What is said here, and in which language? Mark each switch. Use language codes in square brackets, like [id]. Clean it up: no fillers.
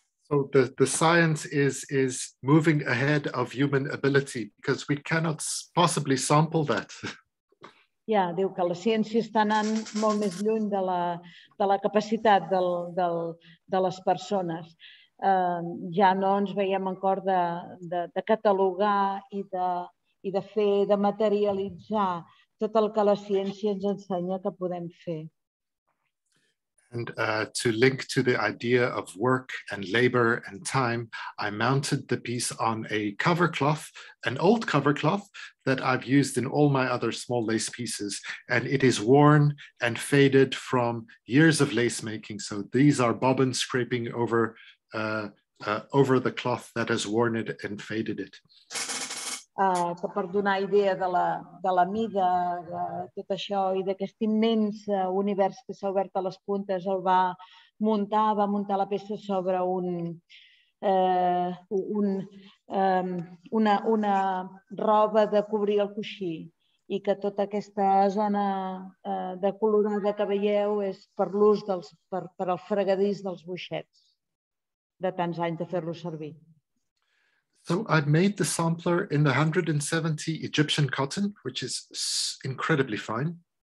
[en] So the science is moving ahead of human ability because we cannot possibly sample that. [ca] Ja, diu que la ciència està anant molt més lluny de la capacitat de les persones. Ja no ens veiem en cor de catalogar i de fer, de materialitzar tot el que la ciència ens ensenya que podem fer. [en] And to link to the idea of work and labor and time, I mounted the piece on a cover cloth, an old cover cloth that I've used in all my other small lace pieces. And it is worn and faded from years of lace making. So these are bobbins scraping over over the cloth that has worn it and faded it. [ca] Que per donar idea de la mida de tot això i d'aquest immens univers que s'ha obert a les puntes, el va muntar la peça sobre una roba de cobrir el coixí i que tota aquesta zona de colorada que veieu és per l'ús per al fregadís dels boixets de tants anys de fer-lo servir. [en] So I made the sampler in the 170 Egyptian cotton, which is incredibly fine.